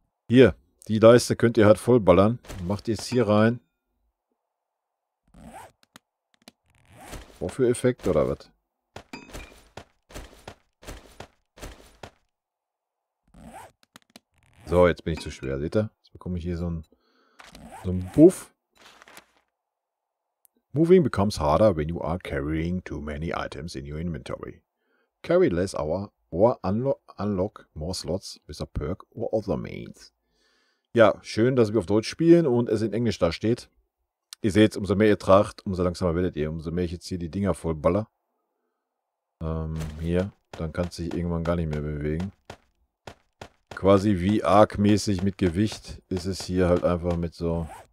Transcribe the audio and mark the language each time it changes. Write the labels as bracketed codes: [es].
[de] Hier, die Leiste könnt ihr halt vollballern. Macht ihr es hier rein. Wofür Effekt oder was? So, jetzt bin ich zu schwer. Seht ihr? Jetzt bekomme ich hier so ein... So ein Buff. [en] Moving becomes harder when you are carrying too many items in your inventory. Carry less hour or unlock more slots with a perk or other means. [de] Ja, schön, dass wir auf Deutsch spielen und es in Englisch da steht. Ihr seht, umso mehr ihr tragt, umso langsamer werdet ihr. Umso mehr ich jetzt hier die Dinger vollballer. Hier, dann kannst du dich irgendwann gar nicht mehr bewegen. Quasi wie arg-mäßig mit Gewicht ist es hier halt einfach mit so.